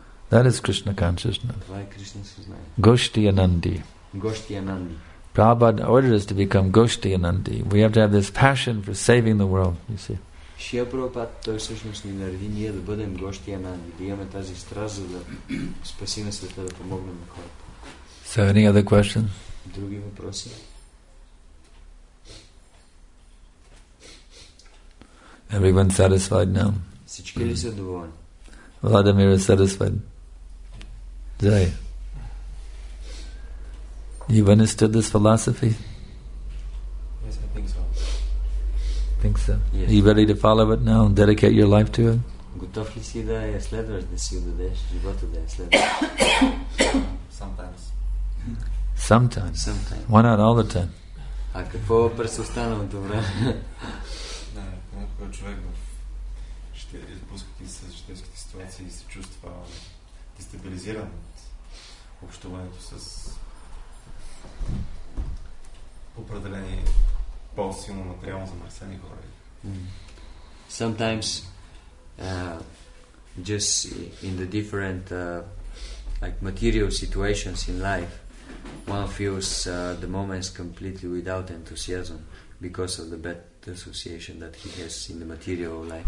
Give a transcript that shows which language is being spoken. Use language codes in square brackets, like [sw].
[en] That is Krishna consciousness. Goshtiyanandi. Prabhupada ordered us to become Goshtiyanandi. We have to have this passion for saving the world, you see. [bg] Шрила Прабхупада, той всъщност ни нареди ние да бъдем Goshtiyanandi, да имаме тази страст, за да спасим света, да помогнем на хората. [en] So, any other questions? [bg] Други въпроси? [en] Everyone satisfied now? [bg] Всички ли са доволни? [en] Vladimir is satisfied. Zai. You've understood this philosophy? Yes, I think so. Think so? Yes. Are you ready to follow it now and dedicate your life to it? [bg] Готов ли си да я следваш, да си отдадеш живота да я следваш? [en] Sometimes. Sometimes? Sometimes. Why not all the time? [bg] А какво през останалото време? Да, когато човек в изпускати се житейските ситуации се чувства дестабилизиран от общуването с определени по-силно материално замърсени хора. [en] Sometimes just in the different like material situations in life, one feels the moments completely without enthusiasm because of the bad association that he has in the material life.